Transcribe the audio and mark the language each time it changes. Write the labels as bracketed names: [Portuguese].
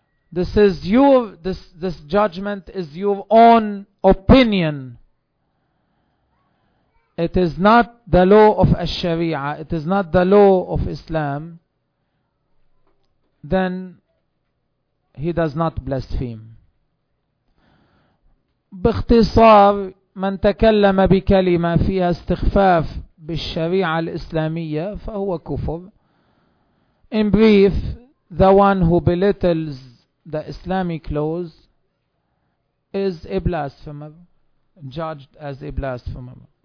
[English] This is your, this judgment is your own opinion. It is not the law of Sharia. It is not the law of Islam. Then he does not blaspheme. [Arabic] باختصار من تكلم بكلمة فيها استخفاف بالشريعة الإسلامية فهو كفر. [English] In brief, the one who belittles the Islamic laws is a blasphemer, judged as a blasphemer.